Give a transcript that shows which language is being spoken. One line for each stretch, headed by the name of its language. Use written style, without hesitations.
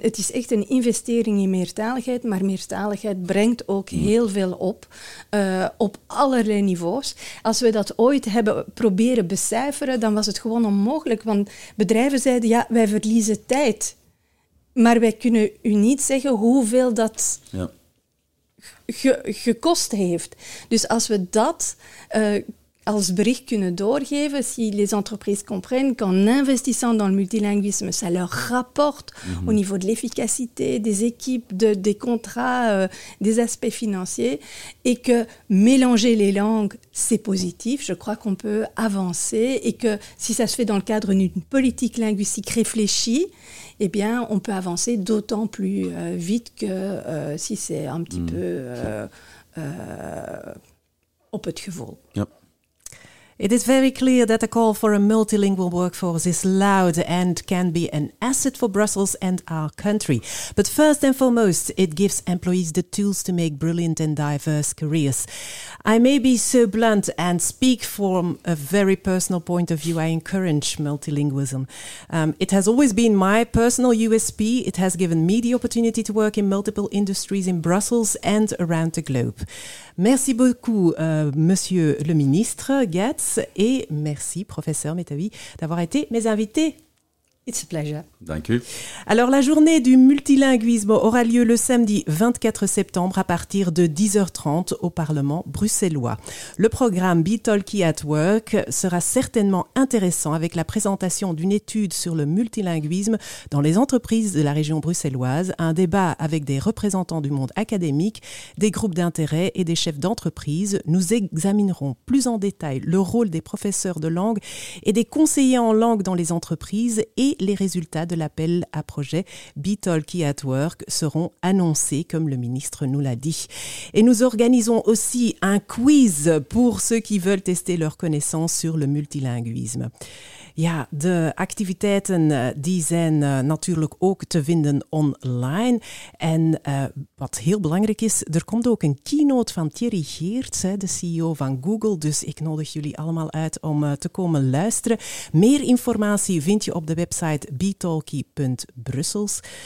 Dutch: Het is echt een investering in meertaligheid, maar meertaligheid brengt ook heel veel op allerlei niveaus. Als we dat ooit hebben proberen becijferen, dan was het gewoon onmogelijk, want bedrijven zeiden, ja, wij verliezen tijd, maar wij kunnen u niet zeggen hoeveel dat gekost heeft. Dus als we dat als bericht kunnen doorgeven,
French: si les entreprises comprennent qu'en investissant dans le multilinguisme, ça leur rapporte au niveau de l'efficacité, des équipes, des contrats, des aspects financiers, et que mélanger les langues, c'est positif, je crois qu'on peut avancer, et que si ça se fait dans le cadre d'une politique linguistique réfléchie, eh bien, on peut avancer d'autant plus vite que si c'est un petit peu au peu de gevoel.
English: It is very clear that the call for a multilingual workforce is loud and can be an asset for Brussels and our country. But first and foremost, it gives employees the tools to make brilliant and diverse careers. I may be so blunt and speak from a very personal point of view. I encourage multilingualism. It has always been my personal USP. It has given me the opportunity to work in multiple industries in Brussels and around the globe.
French: Merci beaucoup, Monsieur le Ministre Getz. Et merci, professeur Metawi, d'avoir été mes invités.
English: It's a pleasure. Thank you.
French: Alors, la journée du multilinguisme aura lieu le samedi 24 septembre à partir de 10h30 au Parlement bruxellois. Le programme Be Talky at Work sera certainement intéressant avec la présentation d'une étude sur le multilinguisme dans les entreprises de la région bruxelloise, un débat avec des représentants du monde académique, des groupes d'intérêt et des chefs d'entreprise. Nous examinerons plus en détail le rôle des professeurs de langue et des conseillers en langue dans les entreprises et les résultats de l'appel à projet Be Talky at Work seront annoncés, comme le ministre nous l'a dit. Et nous organisons aussi un quiz pour ceux qui veulent tester leurs connaissances sur le multilinguisme.
Dutch: Ja, de activiteiten die zijn natuurlijk ook te vinden online. En wat heel belangrijk is, er komt ook een keynote van Thierry Geerts, de CEO van Google. Dus ik nodig jullie allemaal uit om te komen luisteren. Meer informatie vind je op de website betalky.brussels.